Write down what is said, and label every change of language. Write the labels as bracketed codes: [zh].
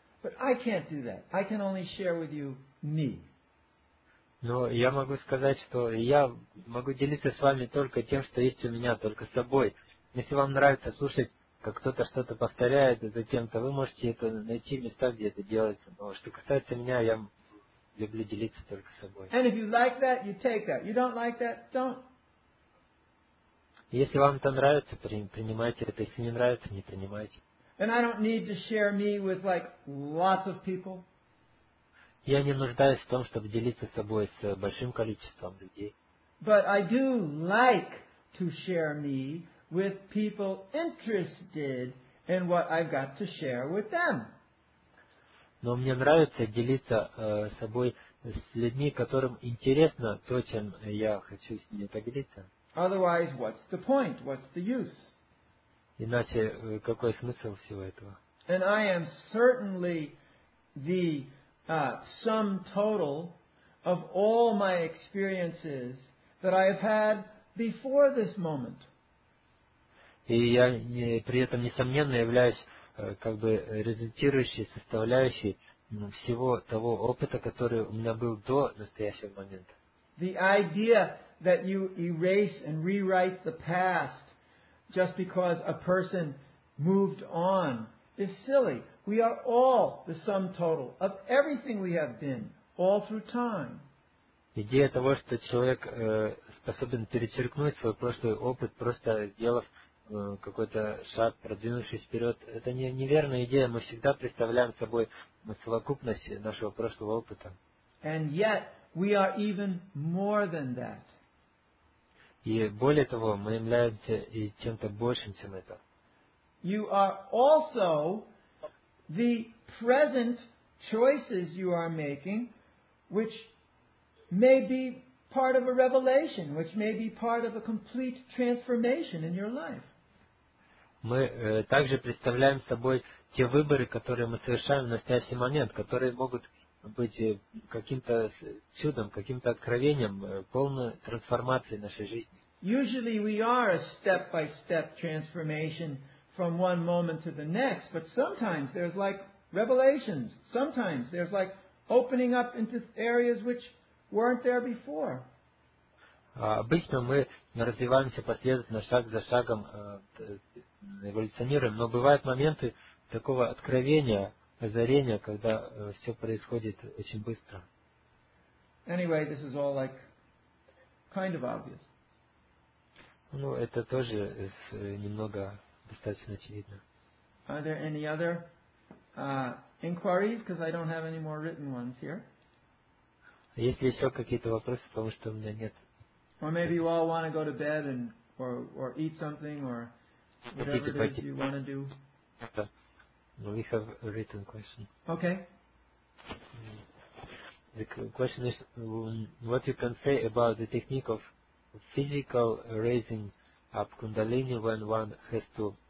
[en] But I can't do that. I can only share with you me. [ru] Но я могу сказать, что я могу делиться с вами только тем, что есть у меня, только с собой. Если вам нравится слушать, как кто-то что-то повторяет за кем-то, вы можете это найти места, где это делается. Но что касается меня, я люблю делиться только собой. [en] And if you like that, you take that. You don't like that, don't. [ru] Если вам это нравится, принимайте это. Если не нравится, не принимайте. [en] And I don't need to share me with like lots of people. [ru] Я не нуждаюсь в том, чтобы делиться собой с большим количеством людей. [en] But I do like to share me with people interested in what I've got to share with them. [ru] Но мне нравится делиться собой с людьми, которым интересно то, чем я хочу с ними поделиться. [en] Otherwise, what's the point? What's the use? [ru] Иначе какой смысл всего этого? [en] And I am certainly the sum total of all my experiences that I have had before this moment. [ru] И я при этом несомненно являюсь как бы результирующей составляющей всего того опыта, который у меня был до настоящего момента. [en] The idea that you erase and rewrite the past just because a person moved on is silly. We are all the sum total of everything we have been all through time. [ru] Идея того, что человек способен перечеркнуть свой прошлый опыт, просто сделав какой-то шаг, продвинувшись вперед, это неверная идея. Мы всегда представляем собой совокупность нашего прошлого опыта. [en] And yet we are even more than that. [ru] И более того, мы являемся и чем-то большим, чем это. [en] You are also the present choices you are making, which may be part of a revelation, which may be part of a complete transformation in your life. [ru] Мы также представляем собой те выборы, которые мы совершаем в настоящий момент, которые могут быть каким-то чудом, каким-то откровением, полной трансформацией нашей жизни. [en] Usually we are a step-by-step transformation from one moment to the next, but sometimes there's like revelations. Sometimes there's like opening up into areas which weren't there before. [ru] Обычно мы развиваемся последовательно, шаг за шагом, эволюционируем, но бывают моменты такого откровения, озарения, когда все происходит очень быстро. [en] Anyway, this is all like kind of obvious. [ru] Ну, это тоже немного достаточно очевидно. [en] Are there any other inquiries? Because I don't have any more written ones here. [ru] Есть ли еще какие-то вопросы, потому что у меня нет. [en] Or maybe you all want to go to bed and or eat something or whatever it is you want to do. We have a written question. Okay. The question is what you can say about the technique of physical raising up Kundalini when one has to